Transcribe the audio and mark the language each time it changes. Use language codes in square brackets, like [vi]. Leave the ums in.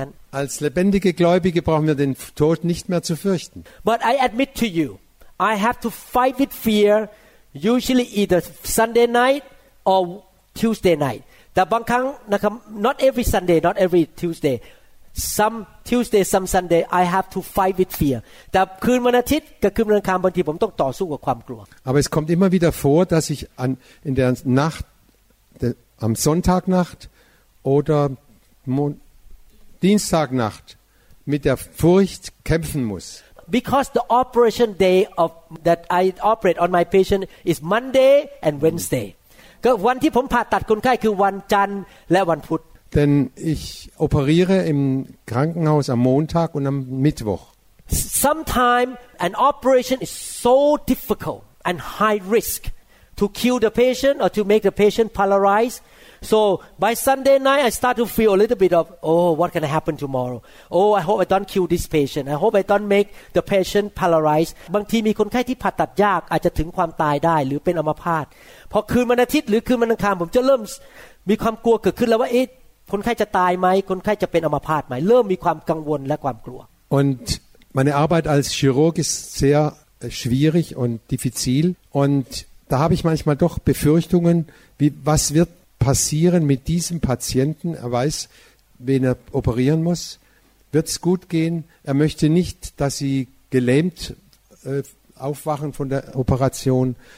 [de] Als lebendige Gläubige brauchen wir den Tod nicht mehr zu fürchten. [en] But I admit to you, I have to fight with fear, usually either Sunday night or Tuesday night. [th] แต่บางครั้งนะครับ [en] not every Sunday not every Tuesday some Tuesday some Sunday I have to fight with fear [th] แต่คืนวันอาทิตย์กับคืนวันอังคารบางทีผมต้องต่อสู้กับความกลัว [de] aber es kommt immer wieder vor dass ich an in der Nacht am Sonntagnacht oder Mo Dienstagnacht mit der Furcht kämpfen muss [en] because the operation day of that I operate on my patient is Monday and Wednesday [th] ก็วันที่ผมผ่าตัดคนไข้คือวันจันท ร์และวันพุธ [de] Denn ich operiere im Krankenhaus am Montag und am Mittwoch. [en] Sometimes an operation is so difficult and high risk to kill the patient or to make the patient paralyzed. so by Sunday night I start to feel a little bit of oh what can happen tomorrow oh I hope I don't kill this patient I hope I don't make the patient paralyzed [th] บางทีมีคนไข้ที่ผ่าตัดยากอาจจะถึงความตายได้หรือเป็นอัมพาตพอคืนวันอาทิตย์หรือคืนวันอังคารผมจะเริ่มมีความกลัวเกิดขึ้นแล้วว่าเอ๊ะคนไข้จะตายไหมคนไข้จะเป็นอัมพาตไหมเริ่มมีความกังวลและความกลัว [de] und meine Arbeit als Chirurg ist sehr schwierig und diffizil und da habe ich manchmal doch Befürchtungen wie was wird passieren mit diesem Patienten? Er weiß, wen er operieren muss. Wird es gut gehen? Er möchte nicht, dass Sie gelähmt äh, aufwachen von der Operation.